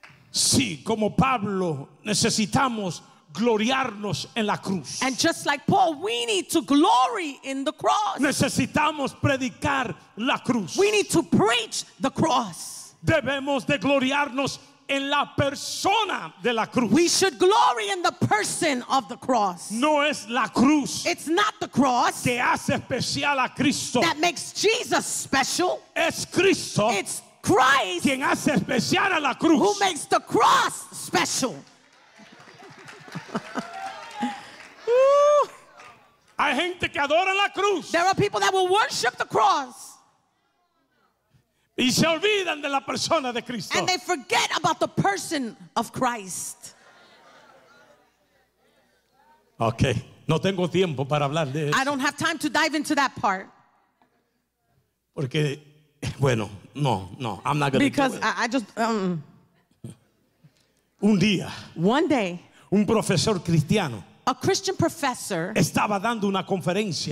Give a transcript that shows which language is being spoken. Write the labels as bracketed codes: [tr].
[es] Sí, como Pablo, necesitamos gloriarnos en la cruz. [en] And just like Paul, we need to glory in the cross. [es] Necesitamos predicar la cruz. [en] We need to preach the cross. [es] Debemos de gloriarnos en la persona de la cruz. [en] We should glory in the person of the cross. [es] No es la cruz. [en] It's not the cross. [es] Que hace especial a Cristo. [en] That makes Jesus special. [es] Es Cristo. [en] It's Christ. [es] Quien hace especial a la cruz. [en] Who makes the cross special. [es] Hay gente que adora la cruz. [en] There are people that will worship the cross. [es] Y se olvidan de la persona de Cristo. [en] And they forget about the person of Christ. [es] Okay, no tengo tiempo para hablar de eso. [en] I don't have time to dive into that part. [es] Porque, bueno, no, [en] I'm not going to do it. Because I just [es] un día. [en] One day. [es] Un profesor cristiano. [en] A Christian professor [es] estaba dando una conferencia.